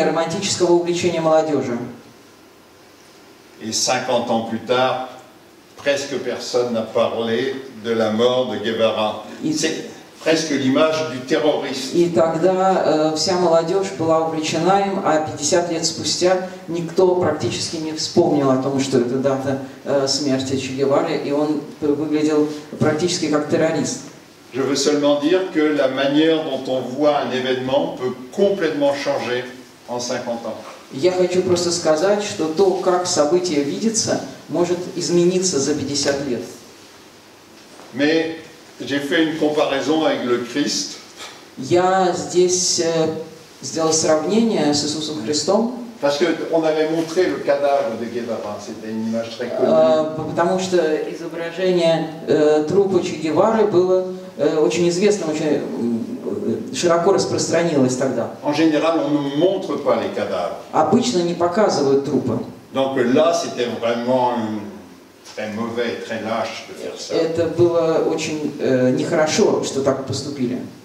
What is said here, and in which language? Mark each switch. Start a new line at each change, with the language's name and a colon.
French: Tous les jeunes étaient amoureux de Che Guevara. Et 50 ans plus tard, presque personne n'a parlé de la mort de Guevara. C'est presque l'image du terroriste.
Russian: И тогда вся молодежь была увлечена им, а 50 лет спустя никто практически не вспомнил о том, что это дата смерти Че Гевары, и он выглядел практически как террорист.
French: Je veux seulement dire que la manière dont on voit un événement peut complètement changer en 50 ans.
Russian: Я хочу просто сказать, что то, как событие видится, может измениться за 50 лет.
French: Mais j'ai fait une comparaison avec le Christ.
Russian: Я здесь сделал сравнение с Иисусом Христом.
French: Parce que on avait montré le cadavre de Guevara, c'était une image très connue.
Russian: Потому что изображение трупа Че Гевары было очень известным, очень широко распространилось тогда.
French: En général, on ne montre pas les cadavres.
Russian: Обычно не показывают трупы.
French: Donc là, c'était vraiment une... très mauvais, très lâche de faire ça.
Russian: Это было очень нехорошо, что так поступили.